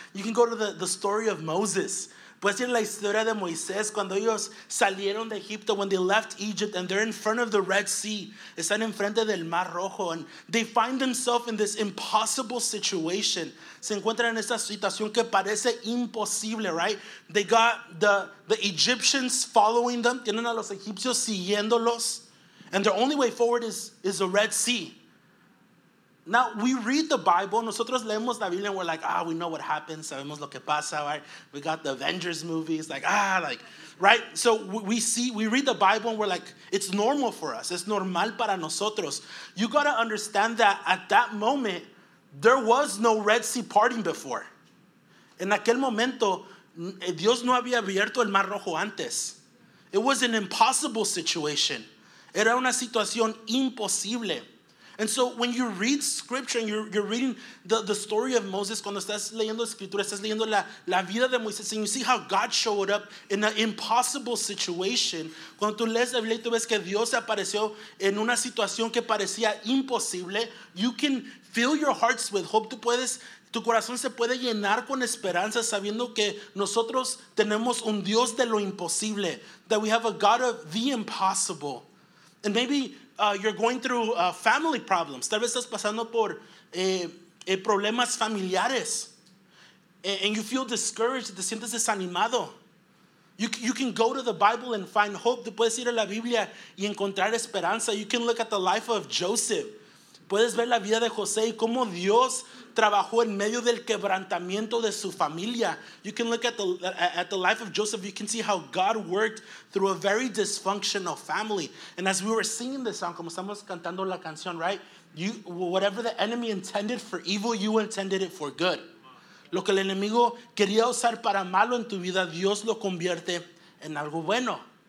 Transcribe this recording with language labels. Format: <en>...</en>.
<en>You can go to the story of Moses.</en> <es>Puedes ir a la historia de Moisés cuando ellos salieron de Egipto,</es> <en>when they left Egypt and they're in front of the Red Sea.</en> <es>Están enfrente del Mar Rojo.</es> <en>And they find themselves in this impossible situation.</en> <es>Se encuentran en esta situación que parece imposible, right?</es> <en>They got the Egyptians following them.</en> <es>Tienen a los egipcios siguiéndolos.</es> <en>And their only way forward is the Red Sea. Now, we read the Bible.</en> <es>Nosotros leemos la Biblia</es> <en>and we're like, we know what happens.</en> <es>Sabemos lo que pasa,</es> <en>right? We got the Avengers movies. Right? So we read the Bible and we're like, it's normal for us.</en> <es>Es normal para nosotros.</es> <en>You got to understand that at that moment, there was no Red Sea parting before.</en> <es>En aquel momento, Dios no había abierto el Mar Rojo antes.</es> <en>It was an impossible situation.</en> <es>Era una situación imposible.</es> <en>And so when you read scripture and you're reading the story of Moses,</en> <es>cuando estás leyendo escritura, estás leyendo la vida de Moisés,</es> <en>and you see how God showed up in an impossible situation,</en> <es>cuando tú lees la Biblia y tú ves que Dios se apareció en una situación que parecía imposible,</es> <en>you can fill your hearts with hope.</en> <es>Tú puedes, tu corazón se puede llenar con esperanza sabiendo que nosotros tenemos un Dios de lo imposible,</es> <en>that we have a God of the impossible. And maybe you're going through family problems.</en> <es>Tal vez estás pasando por problemas familiares.</es> <en>And you feel discouraged.</en> <es>Te sientes desanimado.</es> <en>You can go to the Bible and find hope.</en> <es>Tú puedes ir a la Biblia y encontrar esperanza.</es> <en>You can look at the life of Joseph.</en> <es>Puedes ver la vida de José y cómo Dios trabajó en medio del quebrantamiento de su familia.</es> <en>You can look at the life of Joseph. You can see how God worked through a very dysfunctional family. And as we were singing the song,</en> <es>como estamos cantando la canción,</es> <en>right? You, whatever the enemy intended for evil, you intended it for good.</en> <es>Lo que el enemigo quería usar para malo en tu vida, Dios lo convierte en algo bueno.</es>